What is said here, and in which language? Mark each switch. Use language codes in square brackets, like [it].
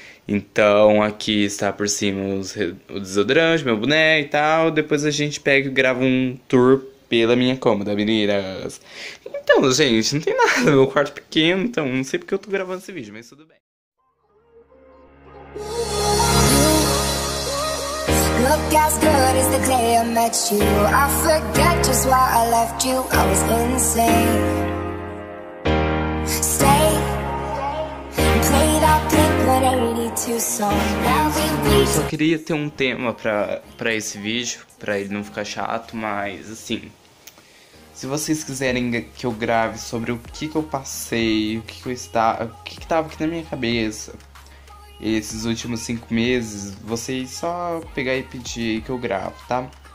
[pt] Então aqui está por cima o desodorante, meu boné e tal. Depois a gente pega e grava um tour pela minha cômoda, meninas. Então, gente, não tem nada. Meu quarto pequeno, então não sei porque eu tô gravando esse vídeo, mas tudo bem. [en] Look as good as the day I met you. I forget just why I left you. I was insane. Stay, play that Blink-182 song. [pt] Eu só queria ter um tema pra esse vídeo, pra ele não ficar chato, mas assim. Se vocês quiserem que eu grave sobre o que eu passei, o que que tava aqui na minha cabeça esses últimos 5 meses, vocês só pegar e pedir que eu gravo, tá?